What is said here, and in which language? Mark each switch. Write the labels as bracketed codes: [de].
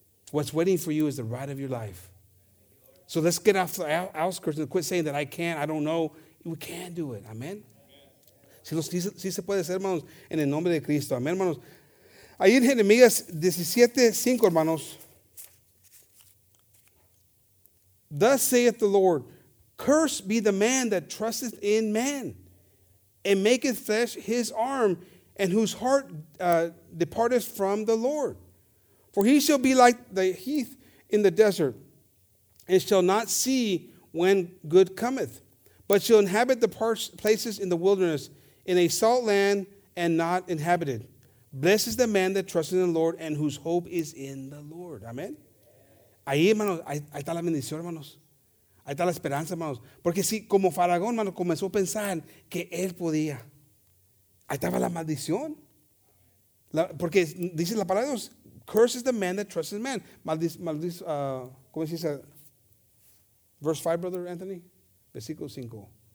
[en] What's waiting for you is the ride of your life. So let's get off the outskirts and quit saying that I can't, I don't know. We can do it. Amen. [es] Sí se puede hacer, hermanos, en el nombre de Cristo. Amén, hermanos. Ahí en Jeremías 17:5, hermanos. [en] Thus saith the Lord, cursed be the man that trusteth in man, and maketh flesh his arm, and whose heart departeth from the Lord. For he shall be like the heath in the desert, and shall not see when good cometh, but shall inhabit the places in the wilderness, in a salt land and not inhabited. Blessed is the man that trusts in the Lord and whose hope is in the Lord. [es] Amen. Ahí, hermanos, ahí está la bendición, hermanos. Ahí está la esperanza, hermanos. Porque si, como Faraón, hermanos, comenzó a pensar que él podía. Ahí estaba la maldición. Porque dice la palabra de Dios, [en] curse is the man that trusts in man. [es] ¿Cómo se dice? [en] Verse 5, brother Anthony. [es] Versículo 5.